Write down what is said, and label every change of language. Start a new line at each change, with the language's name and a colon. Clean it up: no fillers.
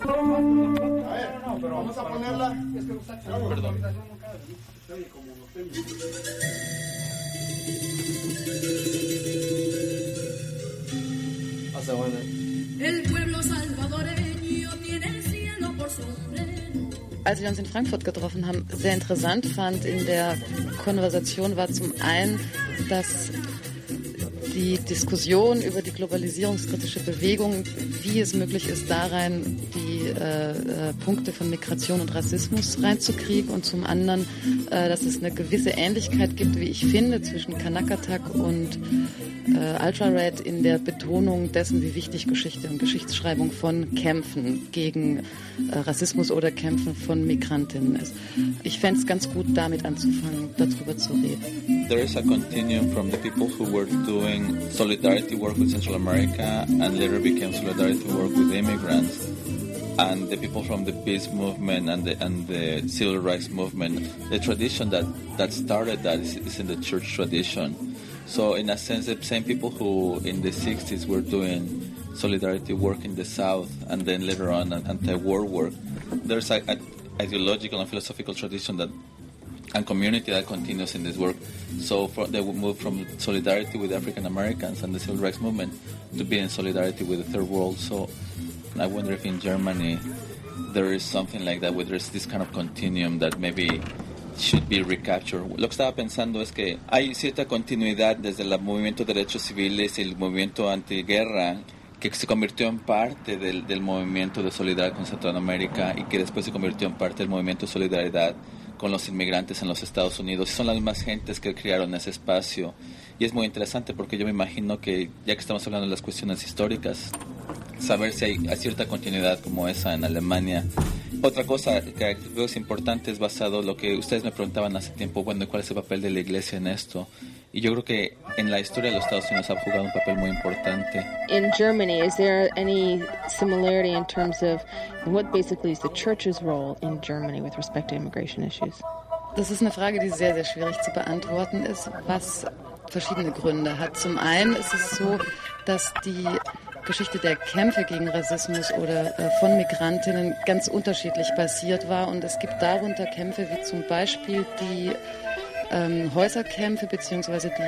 Spanish: A ver, pero vamos a ponerla. Perdón. Hasta bueno. El pueblo salvadoreño tiene el cielo por su freno.
German: Als wir uns in Frankfurt getroffen haben, sehr interessant fand in der Konversation war zum einen, dass die Diskussion über die globalisierungskritische Bewegung, wie es möglich ist, da rein die Punkte von Migration und Rassismus reinzukriegen und zum anderen, dass es eine gewisse Ähnlichkeit gibt, wie ich finde, zwischen Kanakatak und Ultra-Red in der Betonung dessen, wie wichtig Geschichte und Geschichtsschreibung von Kämpfen gegen Rassismus oder Kämpfen von Migrantinnen ist. Ich fände es ganz gut, damit anzufangen, darüber zu reden.
English: There is a continuum from the people who were doing solidarity work with Central America and later became solidarity work with immigrants and the people from the peace movement and the civil rights movement. The tradition that started that is in the church tradition. So in a sense, the same people who in the 60s were doing solidarity work in the South and then later on anti-war work, there's an ideological and philosophical tradition that and community that continues in this work. So they would move from solidarity with African Americans and the civil rights movement to be in solidarity with the third world. So I wonder if in Germany there is something like that, where there's this kind of continuum that maybe should be recaptured.
Spanish: Lo que estaba pensando es que hay cierta continuidad desde el movimiento de derechos civiles y el movimiento antiguerra que se convirtió en parte del movimiento de solidaridad con Centroamérica y que después se convirtió en parte del movimiento de solidaridad con los inmigrantes en los Estados Unidos. Son las mismas gentes que crearon ese espacio. Y es muy interesante porque yo me imagino que, ya que estamos hablando de las cuestiones históricas, saber si hay cierta continuidad como esa en Alemania. Otra cosa que creo es importante es basado en lo que ustedes me preguntaban hace tiempo, bueno, ¿cuál es el papel de la iglesia en esto? Y yo creo que en la historia de los Estados Unidos ha jugado un papel muy importante.
English: In Germany, is there any similarity in terms of what basically is the church's role in Germany with respect to immigration issues?
German: Das ist eine Frage, die sehr, sehr schwierig zu beantworten ist, was verschiedene Gründe hat. Zum einen ist es so, dass die Geschichte der Kämpfe gegen Rassismus oder von Migrantinnen ganz unterschiedlich basiert war. Und es gibt darunter Kämpfe wie zum Beispiel die Häuserkämpfe bzw.